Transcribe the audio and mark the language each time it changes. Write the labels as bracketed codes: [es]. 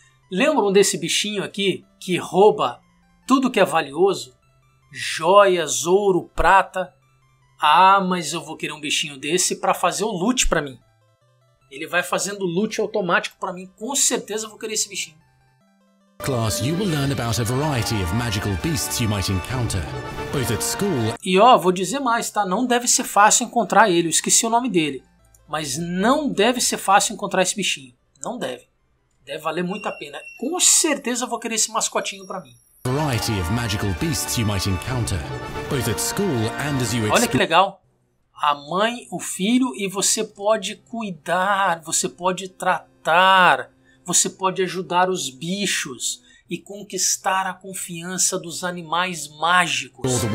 [pt] Lembram desse bichinho aqui que rouba tudo que é valioso? Joias, ouro, prata. Ah, mas eu vou querer um bichinho desse para fazer o loot para mim. Ele vai fazendo loot automático para mim. Com certeza eu vou querer esse bichinho. [en] Class, you will learn about a variety of magical beasts you might encounter, both at school. [pt] E ó, vou dizer mais, tá? Não deve ser fácil encontrar ele. Eu esqueci o nome dele, mas não deve ser fácil encontrar esse bichinho. Não deve. Deve valer muito a pena. Com certeza eu vou querer esse mascotinho para mim. [en] Variety of magical beasts you might encounter, both at school and as you. [pt] Olha que legal. A mãe, o filho e você pode cuidar, você pode tratar. Você pode ajudar os bichos e conquistar a confiança dos animais mágicos.